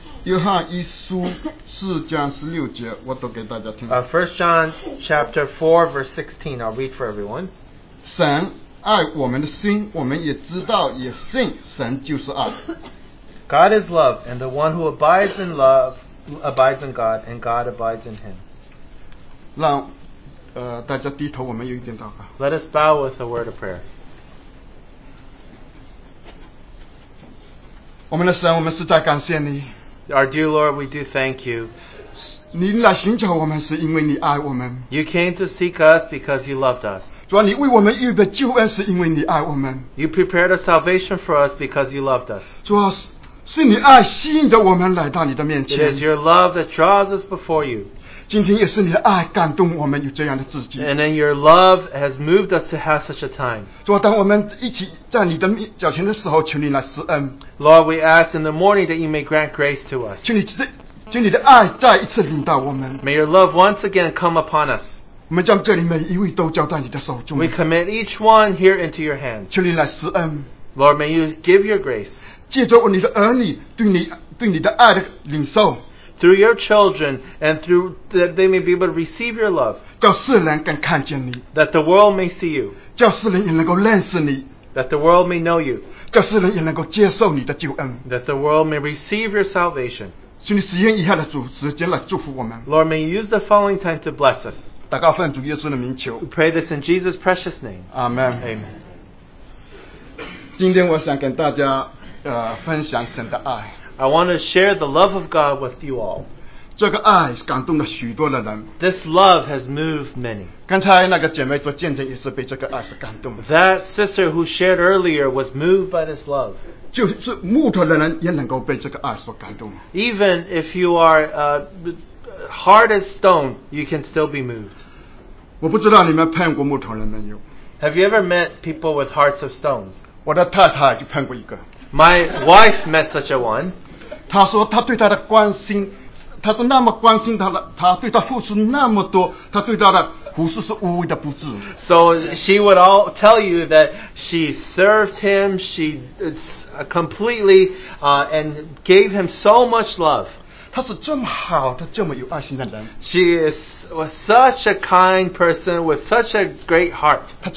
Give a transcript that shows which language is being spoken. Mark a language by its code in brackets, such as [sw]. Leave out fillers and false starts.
[zh] 约翰一书四章十六节, 我读给大家听。 [en] 1 John chapter 4, verse 16, I'll read for everyone. [zh] 神爱我们的心, 我们也知道, 也信, 神就是爱。 [en] God is love, and the one who abides in love abides in God, and God abides in him. [zh] 让, 大家低头, 我们有一点祷告。 [en] Let us bow with a word of prayer. [zh] 我们的神, 我们实在感谢你。 [en] Our dear Lord, we do thank you. [zh] 你来寻找我们是因为你爱我们。 [en] You came to seek us because you loved us. [zh] 主啊，你为我们预备救恩是因为你爱我们。 [en] You prepared a salvation for us because you loved us. [zh] 主啊，是你爱吸引着我们来到你的面前。 [en] It is your love that draws us before you. [zh] 今天也是你的爱感动我们有这样的自己。And [en] then your love has moved us to have such a time. [zh] 主啊，当我们一起在你的脚前的时候，求你来施恩。 [en] Lord, we ask in the morning that you may grant grace to us. [zh] 请你的爱再一次领导我们。 [en] May your love once again come upon us. [zh] 我们将这里每一位都交到你的手中。 [en] We commit each one here into your hands. [zh] 求你来施恩。 [en] Lord, may you give your grace. [zh] 借着你的儿女对你的爱的领受。 [en] Through your children, and through that they may be able to receive your love. [zh] 叫世人更看见你, [en] that the world may see you. [zh] 叫世人也能够认识你, [en] that the world may know you. [zh] 叫世人也能够接受你的救恩, [en] that the world may receive your salvation. [zh] 请你使用以下的主时间来祝福我们, [en] Lord, may you use the following time to bless us. [zh] 祷告奉主耶稣的名求, [en] we pray this in Jesus' precious name. Amen. Amen. [zh] 今天我想跟大家, 分享神的爱。 [en] I want to share the love of God with you all. [zh] 这个爱感动了许多的人。 [en] This love has moved many. [zh] 刚才那个姐妹做见证也是被这个爱是感动。 [en] That sister who shared earlier was moved by this love. [zh] 就是木头的人也能够被这个爱所感动。 [en] Even if you are hard as stone, you can still be moved. [zh] 我不知道你们碰过木头人没有? [en] Have you ever met people with hearts of stones? [zh] 我的太太就碰过一个。 [en] My wife met such a one. [zh] 她说她对她的关心, 她是那么关心她的,她对她付出那么多, 她对她的 [en] So she would all tell you that she served him, she completely and gave him so much love. She is such a kind person with such a great heart.